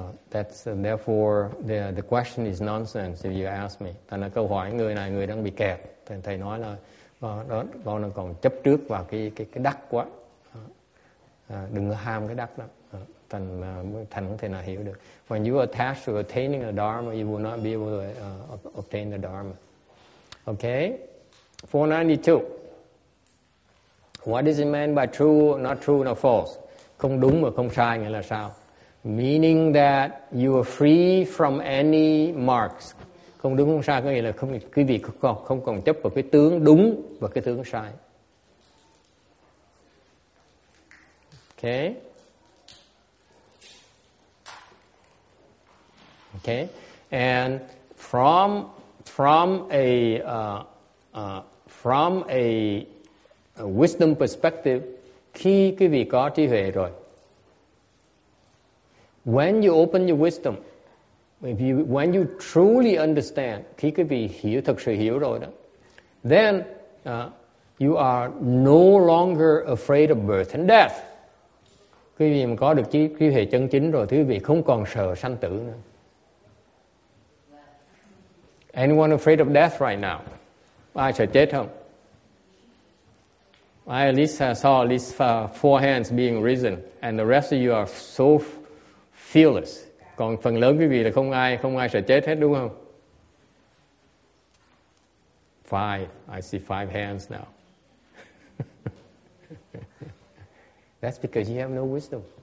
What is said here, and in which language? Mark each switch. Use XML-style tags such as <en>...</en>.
<en>That's therefore the question is nonsense if you ask me.</en> <vi>Tại nó câu hỏi người này người đang bị kẹt. Thầy nói là đó con đang còn chấp trước vào cái đắc quá, đừng ham cái đắc đó, thành không thể nào hiểu được.</vi> <en>When you attach to attaining the dharma, you will not be able to obtain the dharma. Okay, 492. What is it meant by true, not true, not false?</en> <vi>Không đúng mà không sai nghĩa là sao?</vi> <en>Meaning that you are free from any marks.</en> <vi>Không đúng không sai có nghĩa là không, quý vị không còn chấp vào cái tướng đúng và cái tướng sai.</vi> <en>Okay. Okay. And from a wisdom perspective,</en> <vi>khi quý vị có trí huệ rồi,</vi> <en>when you open your wisdom, When you truly understand,</en> <vi>khi quý vị hiểu, thực sự hiểu rồi đó,</vi> <en>then you are no longer afraid of birth and death.</en> <vi>Quý vị mà có được trí huệ chân chính rồi, thì quý vị không còn sợ sanh tử nữa.</vi> <en>Anyone afraid of death right now?</en> <vi>Ai sợ chết không?</vi> <en>I at least saw at least four hands being risen, and the rest of you are so fearless.</en> <vi>Còn phần lớn quý vị là không ai sợ chết hết, đúng không?</vi> <en>Five. I see five hands now. That's because you have no wisdom.</en>